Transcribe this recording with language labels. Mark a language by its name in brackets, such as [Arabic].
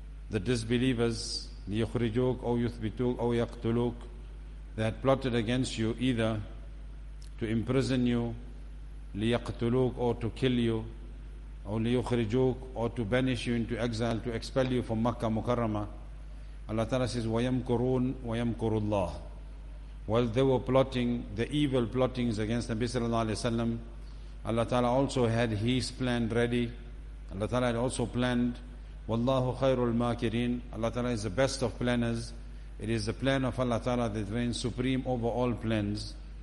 [English] the disbelievers, [Arabic] لِيُخْرِجُوكْ أَوْ يُثْبِتُوكْ أَوْ يَقْتُلُوكْ, [English] they had plotted against you either to imprison you, لِيَقْتُلُوكْ, or to kill you, or لِيُخْرِجُوكْ, or to banish you into exile, to expel you from Makkah Mukarramah. Allah Ta'ala says, [Arabic] وَيَمْكُرُونَ وَيَمْكُرُ اللَّهِ. [English] While they were plotting, the evil plottings against Nabi sallallahu alayhi wa sallam, Allah Ta'ala also had his plan ready. Allah Ta'ala had also planned, [Arabic] وَاللَّهُ خَيْرُ الْمَاكِرِينَ. [English] Allah Ta'ala is the best of planners. It is the plan of Allah Ta'ala that reigns supreme over all plans.